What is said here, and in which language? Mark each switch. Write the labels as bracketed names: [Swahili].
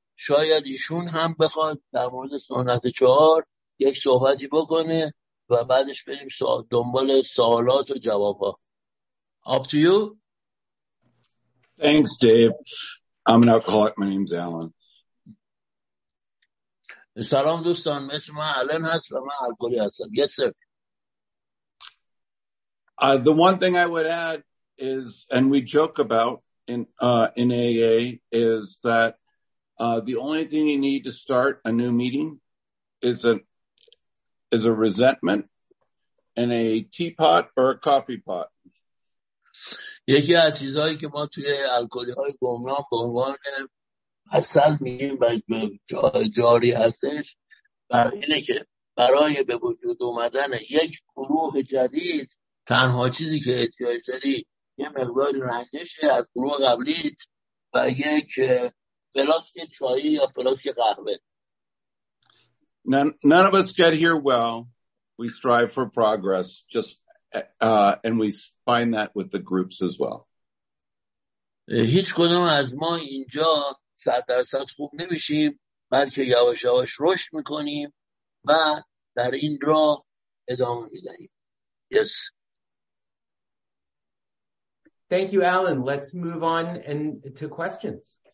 [Persian] شاید ایشون هم بخواد در مورد سنت چهار یک صحبتی بکنه و بعدش بریم دنبال سوالات و جواب ها. [English] Up to you. Thanks, Dave. I'm an alcoholic. My name's Alan. [Persian] سلام دوستان، اسم من آلن هست و من الکلی هستم. [English] Yes sir. The one thing I would add is, and we joke about in AA, is that the only thing you need to start a new meeting is a resentment in a teapot or a coffee pot. [Persian] یکی از چیزهایی که ما توی الکلی‌های گمنام به عنوان اصل میگیم و جاری هستش بر اینه که برای به وجود اومدن یک گروه جدید تنها چیزی که احتیاج داری یه مقدار رنجشه از گروه قبلیت و یک فلاسک چای یا فلاسک قهوه. [English] None of us get here well. We strive for progress and we find that with the groups as well. [Persian] هیچ کدوم از ما اینجا 100% خوب نمیشیم، بلکه یواش یواش رشد میکنیم و در این راه ادامه میدهیم. [English] Yes. Thank you, Alan. Let's move on and to questions.